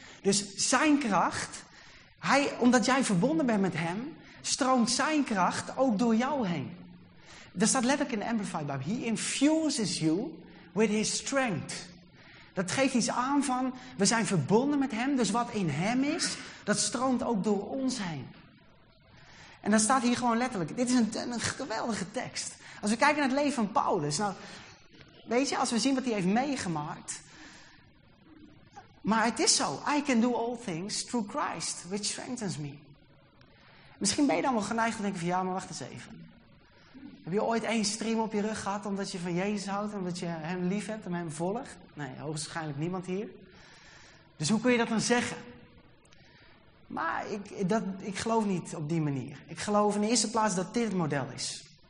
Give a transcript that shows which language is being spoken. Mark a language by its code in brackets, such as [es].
[nl] Dus zijn kracht, omdat jij verbonden bent met hem, stroomt zijn kracht ook door jou heen. Dat staat letterlijk in de Amplified Bijbel. [en] He infuses you with his strength. [nl] Dat geeft iets aan van, we zijn verbonden met hem, dus wat in hem is, dat stroomt ook door ons heen. En dat staat hier gewoon letterlijk. Dit is een geweldige tekst. Als we kijken naar het leven van Paulus. Nou, weet je, als we zien wat hij heeft meegemaakt. Maar het is zo. [en] I can do all things through Christ, which strengthens me. [nl] Misschien ben je dan wel geneigd om te denken van, ja, maar wacht eens even. Heb je ooit 1 stream op je rug gehad omdat je van Jezus houdt en omdat je hem lief hebt en hem volgt? Nee, hoogstwaarschijnlijk niemand hier. Dus hoe kun je dat dan zeggen? Maar ik geloof niet op die manier. Ik geloof in de eerste plaats dat dit het model is.